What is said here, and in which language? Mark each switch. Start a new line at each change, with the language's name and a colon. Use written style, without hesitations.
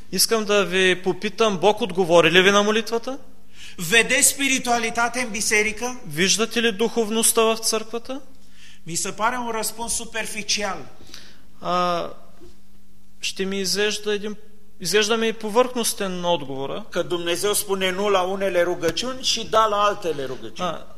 Bulgarian: Искам да ви попитам, Бог отговори ли ви на молитвата?
Romanian: Vede spiritualitate în biserică?
Bulgarian: Виждате ли духовността в църквата?
Romanian: Mi se pare un răspuns superficial.
Bulgarian: Ще ми изглежда ми повърхностен отговор.
Romanian: Că Dumnezeu spune nu la unele rugăciuni și da la altele rugăciuni.